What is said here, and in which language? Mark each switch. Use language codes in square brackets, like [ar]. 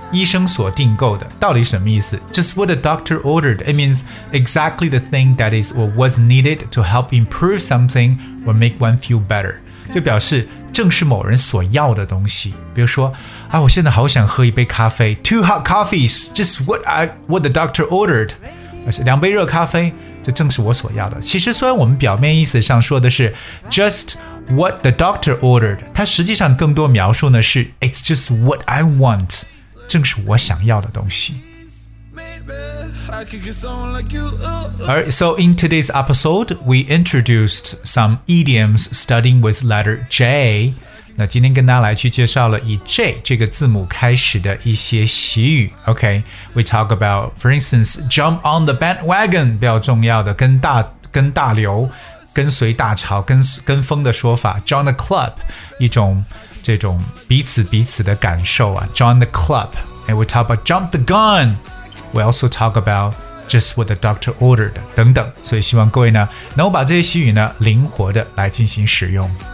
[zh] 医生所订购的，到底什么意思？ [en] Just what the doctor ordered. It means exactly the thing that is or was needed to help improve something or make one feel better. [zh] 就表示正是某人所要的东西。比如说，啊，我现在好想喝一杯咖啡。 [en] Two hot coffees. Just what the doctor ordered. [zh] 两杯热咖啡，这正是我所要的。其实虽然我们表面意思上说的是 [en] just what the doctor ordered， [zh] 它实际上更多描述呢是 [en] it's just what I want， [zh] 正是我想要的东西。 [en] All right, so in today's episode, we introduced some idioms starting with letter J. [zh] 那今天跟大家来去介绍了以 J 这个字母开始的一些习语。 [en] Okay, we talk about, for instance, jump on the bandwagon, [zh] 比较重要的跟大流、跟随大潮、跟风的说法。 Join the club, 一种这种彼此的感受啊。 [en] Join the club, and we talk about jump the gun. We also talk about just what the doctor ordered, [zh] 等等。所以希望各位呢，能把这些习语呢，灵活的来进行使用。